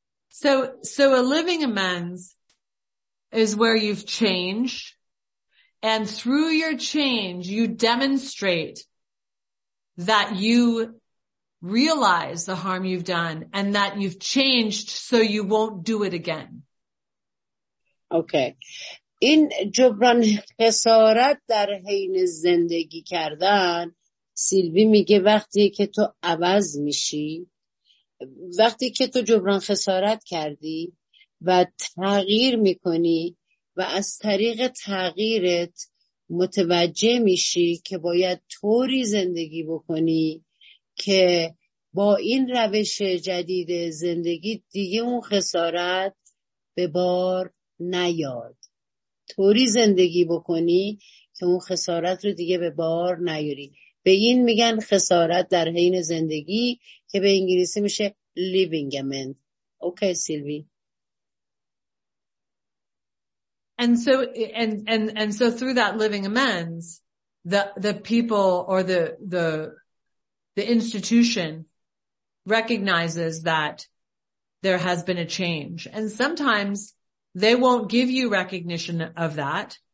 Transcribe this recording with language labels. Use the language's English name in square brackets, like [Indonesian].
[English] So a living amends is where you've changed, and through your change you demonstrate that you realize the harm you've done and that you've changed so you won't do it again. Okay. [Persian] In جبران خسارت در حین زندگی کردن، سیلوی میگه وقتی که تو عوض میشی، وقتی که تو جبران خسارت کردی و تغییر میکنی و از طریق تغییرت متوجه میشی که باید طوری زندگی بکنی که با این روش جدید زندگی دیگه اون خسارت به بار نیاد، طوری زندگی بکنی که اون خسارت رو دیگه به بار نیاری. به این میگن خسارت در حین زندگی، که به انگلیسی میشه living amend. اوکی سیلوی. [English] And so through that living amends, the people or the institution recognizes that there has been a change. And sometimes they won't give you recognition of that.